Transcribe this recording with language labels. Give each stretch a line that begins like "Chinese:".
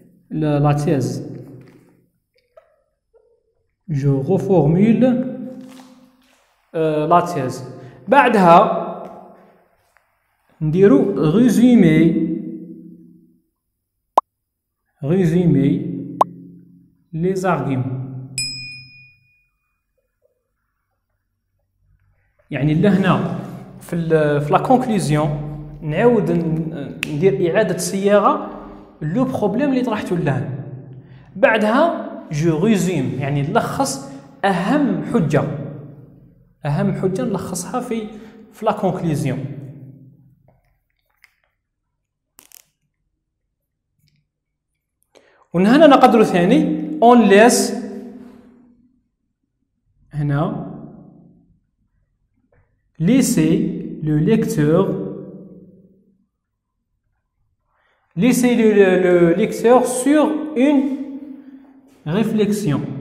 French: La thèse، je reformule la thèse.
Arabic: بعدها نديرو résumé،
French: résumé les arguments،
Arabic: يعني لهنا في لا كونكلوزيون نعاود ندير اعاده صياغه لو بروبليم اللي طرحته لهنا. بعدها جو ريزوم، يعني نلخص اهم حجه، اهم حجه نلخصها في لا كونكلوزيون. ومن هنا نقدروا ثاني اون ليس، هنا ليسي
French: le lecteur Laissez le lecteur sur une réflexion.